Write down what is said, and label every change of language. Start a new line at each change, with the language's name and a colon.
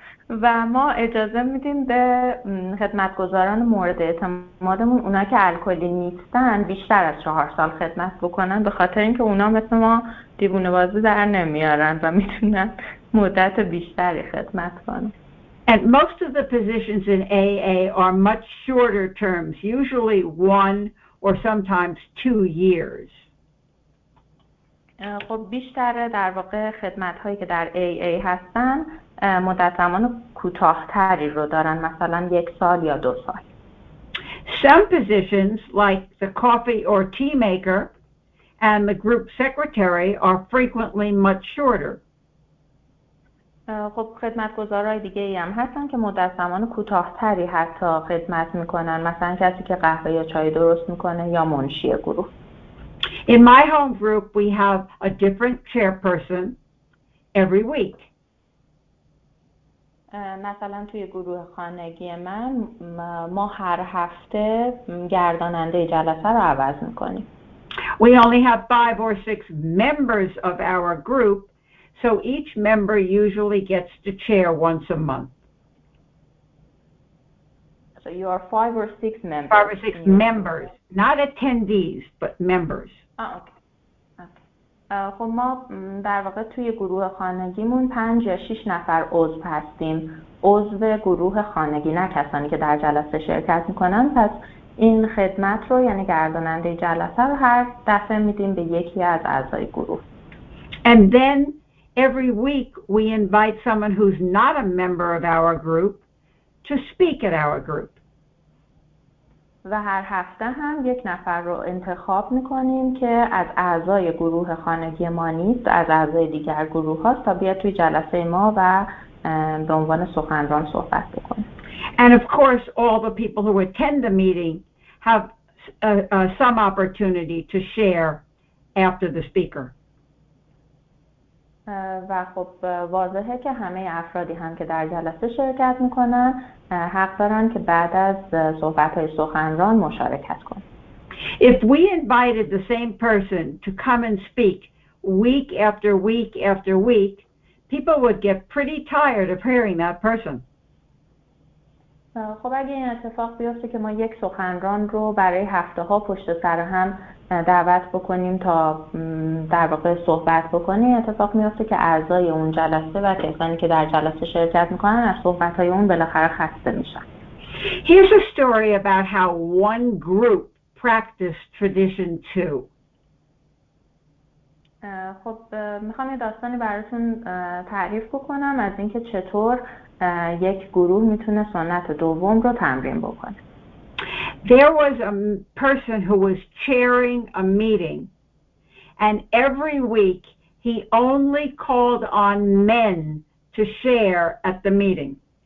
Persian: و ما اجازه میدیم به خدمتگزاران مورد اعتمادمون اونا که الکلی نیستن بیشتر از 4 سال خدمت بکنن به خاطر اینکه اونا مثل ما دیوونه بازی در نمیارن و میتونن مدت بیشتری خدمت کنن.
English: And most of the positions in AA are much shorter terms, usually 1 or sometimes 2 years.
Persian: خب بیشتر در واقع خدمت هایی که در AA هستن مدت زمان کوتاه‌تری رو دارن، مثلا 1 سال یا 2 سال.
English: Some positions like the coffee or tea maker and the group secretary are frequently much shorter.
Persian: خب خدمتگزارای دیگه ای هم هستن که مدت زمان کوتاه‌تری حتی خدمت میکنن، مثلا کسی که قهوه یا چای درست میکنه یا منشی گروه.
English: In my home group we have a different chairperson every week.
Persian: مثلا توی گروه خانگی من ما هر هفته گرداننده جلسه رو عوض میکنیم.
English: We only have 5 or 6 members of our group, so each member usually gets to chair once a month. So you are 5 or 6 members. 5 or 6 members, not attendees, but members.
Persian: خب ما در واقع توی گروه خانگیمون 5 یا 6 نفر عضو هستیم، عضو گروه خانگی، نه کسانی که در جلسه شرکت میکنن. پس این خدمت رو، یعنی گرداننده جلسه رو، هر دفعه میدیم به یکی از اعضای گروه.
English: And then every week we invite someone who's not a member of our group to speak at our group.
Persian: و هر هفته هم یک نفر رو انتخاب میکنیم که از اعضای گروه خانگی ما نیست، از اعضای دیگر گروه هاست، تا بیاد توی جلسه ما و به عنوان سخنران صحبت بکنه.
English: And of course all the people who attend the meeting have some opportunity to share after the speaker.
Persian: و خب واضحه که همه افرادی هم که در جلسه شرکت میکنن حق دارن که بعد از صحبت‌های سخنران مشارکت کنن.
English: If we invited the same person to come and speak week after week after week, people would get pretty tired of hearing that person.
Persian: خب اگه این اتفاق بیفته که ما یک سخنران رو برای هفته‌ها پشت سر هم دعوت بکنیم تا در واقع صحبت بکنیم، اتفاق میفته که اعضای اون جلسه و کسانی که در جلسه شرکت میکنن از صحبت‌های اون بالاخره خسته میشن.
English: Here's a story about how one group practiced tradition 2.
Persian: خب میخوام یه داستانی براتون تعریف بکنم از اینکه چطور یک گروه میتونه سنت دوم رو تمرین بکنه.
English: There was a person who was chairing a meeting, and every week he only called on men to share at the meeting.